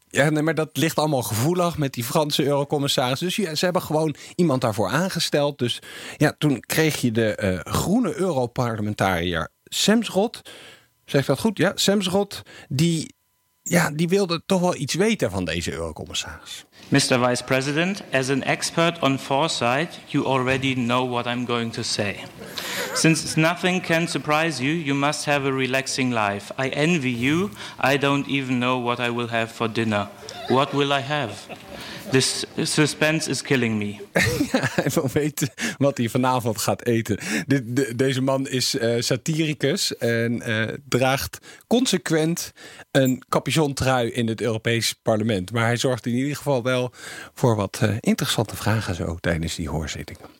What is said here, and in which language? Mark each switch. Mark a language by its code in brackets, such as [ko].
[nl] Ja, nee, maar dat ligt allemaal gevoelig met die Franse eurocommissaris. Dus ze hebben gewoon iemand daarvoor aangesteld. Dus ja, toen kreeg je de groene europarlementariër Semsrot. Zeg ik dat goed? Ja, Semsrot. Die wilde toch wel iets weten van deze eurocommissaris. [en] Mr. Vice President, as an expert on foresight, you already know what I'm going to say. Since nothing can surprise you, you must have a relaxing life. I envy you. I don't even know what I will have for dinner. What will I have? This suspense is killing me. [nl] Hij wil weten wat hij vanavond gaat eten. Deze man is satiricus en draagt consequent een capuchontrui in het Europees Parlement. Maar hij zorgt in ieder geval wel voor wat interessante vragen zo tijdens die hoorzitting.